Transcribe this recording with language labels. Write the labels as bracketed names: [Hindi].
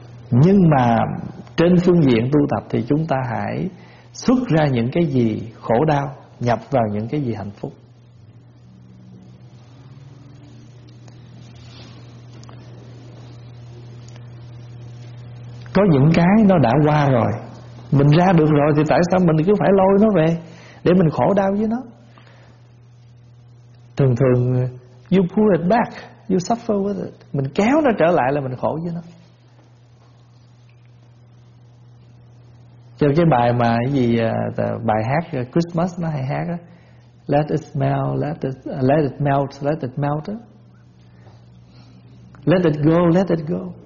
[Vietnamese] Nhưng mà trên phương diện tu tập thì chúng ta hãy xuất ra những cái gì khổ đau, nhập vào những cái gì hạnh phúc. Có những cái nó đã qua rồi, mình ra được rồi thì tại sao mình cứ phải lôi nó về để mình khổ đau với nó? Thường thường [English] you pull it back, you suffer with it. [Vietnamese] Mình kéo nó trở lại là mình khổ với nó. Cho cái bài mà cái gì, bài hát Christmas nó hay hát đó, [English] Let it melt. Let it go.